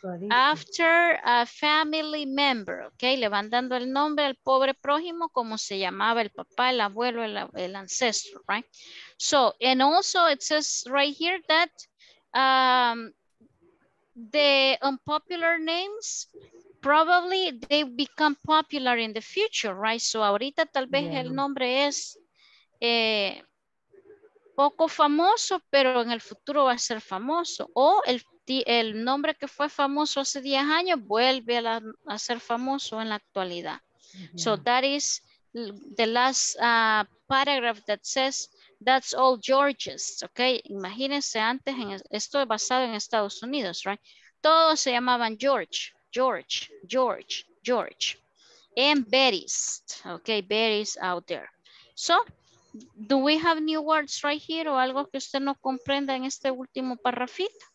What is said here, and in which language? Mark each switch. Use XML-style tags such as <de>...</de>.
<en>After a family member,</en> <es>ok, le van dando el nombre al pobre prójimo, como se llamaba el papá, el abuelo, el ancestro, right?</es> <en>So, and also it says right here that the unpopular names, probably they become popular in the future, right?</en> <es>So ahorita tal vez yeah. el nombre es poco famoso, pero en el futuro va a ser famoso. O el nombre que fue famoso hace 10 años vuelve a ser famoso en la actualidad. Mm-hmm.</es> <en>So that is the last paragraph that says, that's all George's, ok?</en> <es>Imagínense antes, esto es basado en Estados Unidos, right? Todos se llamaban George, George, George, George.</es> <en>And Betty's, ok? Betty's out there. So, do we have new words right here</en> <es>o algo que usted no comprenda en este último parrafito?</es>